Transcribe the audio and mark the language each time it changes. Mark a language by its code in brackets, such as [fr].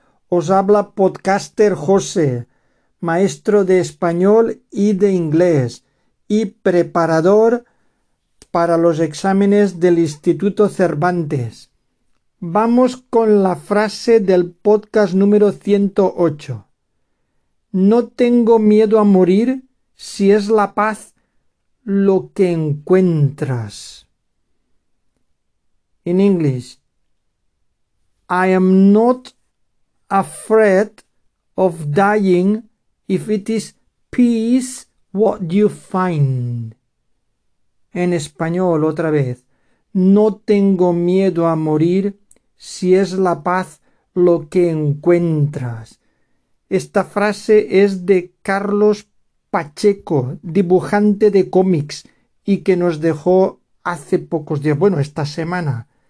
[es] Os habla Podcaster José, maestro de español y de inglés y preparador para los exámenes del Instituto Cervantes. Vamos con la frase del podcast número 108. No tengo miedo a morir. Si es la paz lo que encuentras. [en] In English, I am not afraid of dying if it is peace what you find. [es] En español, otra vez, no tengo miedo a morir si es la paz lo que encuentras. Esta frase es de Carlos Pacheco, dibujante de cómics y que nos dejó hace pocos días, bueno, esta semana.